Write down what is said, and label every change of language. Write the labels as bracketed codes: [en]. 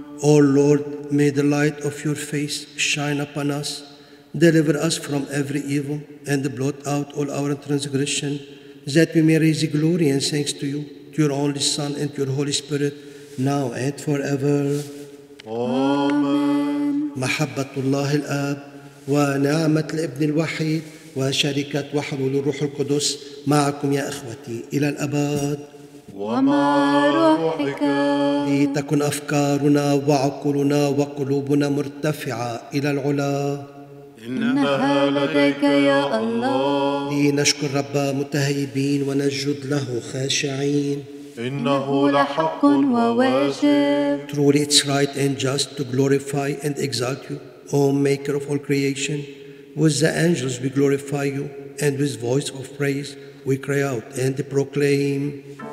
[en] O Lord, may the light of your face shine upon us, deliver us from every evil, and blot out all our transgression, that we may raise glory and thanks to you, to your only Son and your Holy Spirit, now and forever. Amen. [ar] محبة الله الآب ونعمة الابن الوحيد وشركة وحلول الروح القدس معكم يا إخوتي إلى الأبد. وما روحك لتكن أفكارنا وعقولنا وقلوبنا مرتفعة إلى العلا إنها لديك يا الله لنشكر رب متهيبين ونجد له خاشعين إنه لحق وواجب [en] Truly it's right and just to glorify and exalt you O maker of all creation With the angels we glorify you and with voice of praise we cry out and proclaim